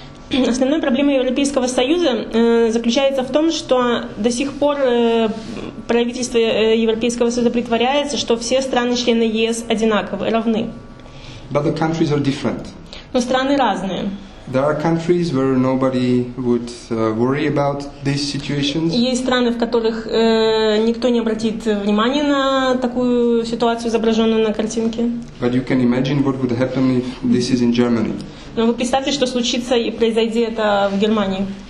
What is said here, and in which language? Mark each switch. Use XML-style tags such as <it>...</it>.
<ru>Основной проблемой Европейского Союза заключается в том, что до сих пор правительство Европейского Союза притворяется, что все страны-члены ЕС одинаковы, равны.</ru> <en>But the countries are different.</en> <ru>Но страны разные.</ru> <en>There are countries where nobody would worry about these situations.</en> <ru>Есть страны, в которых никто не обратит внимания на такую ситуацию, изображенную на картинке.</ru> <en>But you can imagine what would happen if this is in Germany.</en> <ru>Но вы представьте, что случится и произойдет это в Германии.</ru>